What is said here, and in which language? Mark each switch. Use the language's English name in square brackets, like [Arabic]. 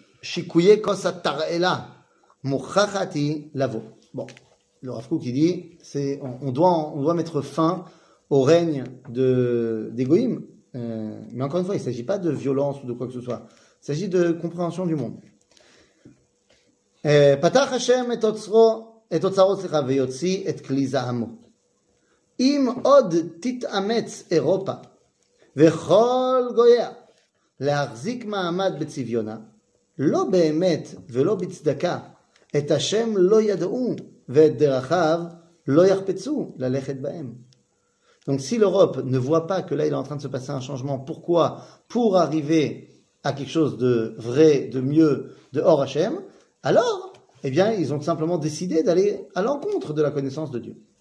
[French] Shikuye kosa tar'ela. Mouchachati lavo. Bon, le Rav Kook, il dit c'est, on doit mettre fin au règne des goyim. Mais encore une fois, il ne s'agit pas de violence ou de quoi que ce soit. Il s'agit de compréhension du monde. [Hebrew] פתח השם את אוצרו, את אוצרו סליחה, ויוציא את כלי זעמו. אם עוד תתאמץ אירופה וכל גויה להחזיק מעמד בצביונה, לא באמת ולא בצדקה, את השם לא ידעו ואת דרכיו לא יחפצו ללכת בהם. [French] Donc si l'Europe ne voit pas que là il est en train de se passer un changement, pourquoi? Pour arriver à quelque chose de vrai, de mieux, de hors Hashem, alors, eh bien, ils ont simplement décidé d'aller à l'encontre de la connaissance de Dieu.